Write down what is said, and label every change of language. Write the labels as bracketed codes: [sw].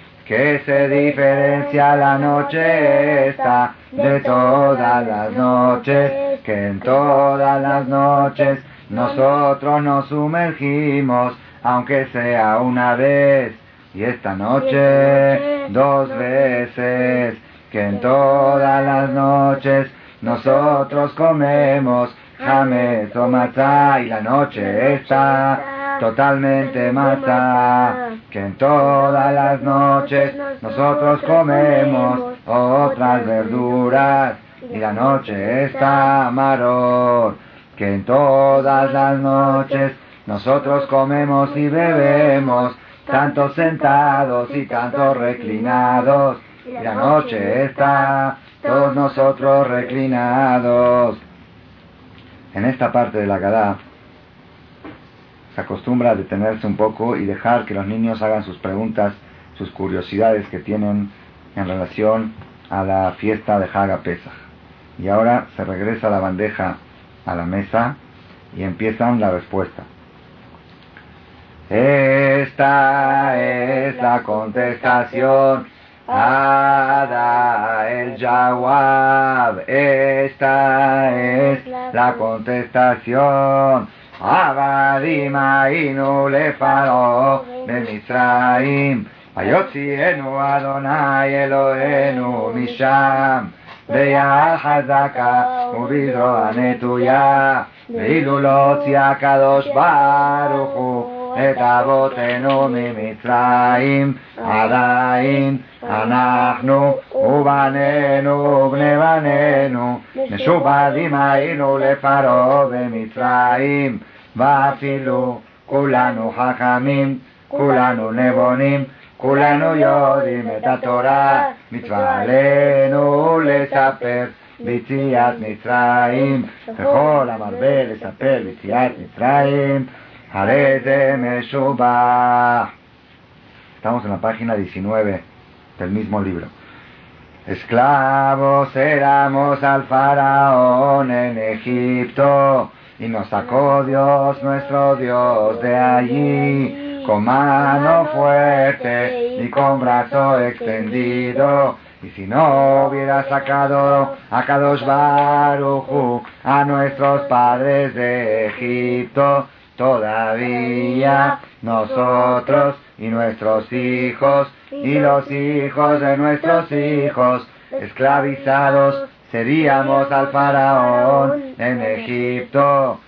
[es] Que se diferencia la noche esta de todas las noches, que en todas las noches nosotros nos sumergimos, aunque sea una vez, y esta noche dos veces, que en todas las noches nosotros comemos jamez o matzá, y la noche esta totalmente matzá. Que en todas las noches nosotros comemos otras verduras y la noche está maror. Que en todas las noches nosotros comemos y bebemos tanto sentados y tanto reclinados y la noche está todos nosotros reclinados. En esta parte de la Gadá se acostumbra a detenerse un poco y dejar que los niños hagan sus preguntas, sus curiosidades que tienen en relación a la fiesta de Hag HaPesaj. Y ahora se regresa la bandeja a la mesa y empiezan la respuesta. Esta es la contestación, [ar] Ada el Jawab. [es] Esta es la contestación. [he] עבדים היינו לפרעה במצרים, ויוציאנו אדוני אלוהינו משם, ביד חזקה ובזרוע נטויה, ואילו לא הוציא הקדוש ברוך הוא את אבותינו ממצרים, עדיין אנחנו ובנינו ובני בנינו משובדים היינו לפרעה במצרים, ואפילו כולנו חכמים, כולנו נבונים, כולנו יודעים את התורה, מצווה עלינו לספר ביציאת מצרים, וכל המרבה לספר ביציאת מצרים, הרי זה משובח. [es] Estamos en la página 19 del mismo libro. Esclavos éramos al faraón en Egipto, y nos sacó Dios, nuestro Dios, de allí. Con mano fuerte y con brazo extendido, y si no hubiera sacado a Kadosh Baruj Hu a nuestros padres de Egipto, todavía nosotros y nuestros hijos y los hijos de nuestros hijos esclavizados seríamos al faraón en Egipto.